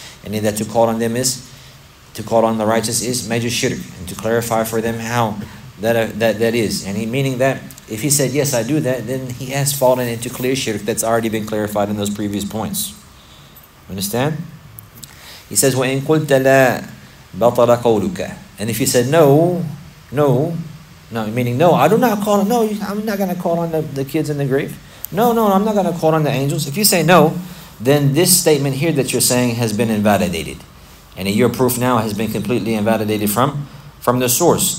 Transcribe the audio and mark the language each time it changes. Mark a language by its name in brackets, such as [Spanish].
[English] And that to call on the righteous is major shirk. And to clarify for them how that is. And meaning that if he said, yes, I do that, then he has fallen into clear shirk that's already been clarified in those previous points. Understand? He says, [Arabic] وَإِن قُلْتَ لَا بَطَلَ قَوْلُكَ. [English] And if you said no, meaning no, I do not call, no, I'm not going to call on the kids in the grave. No, I'm not going to call on the angels. If you say no, then this statement here that you're saying has been invalidated. And your proof now has been completely invalidated from the source.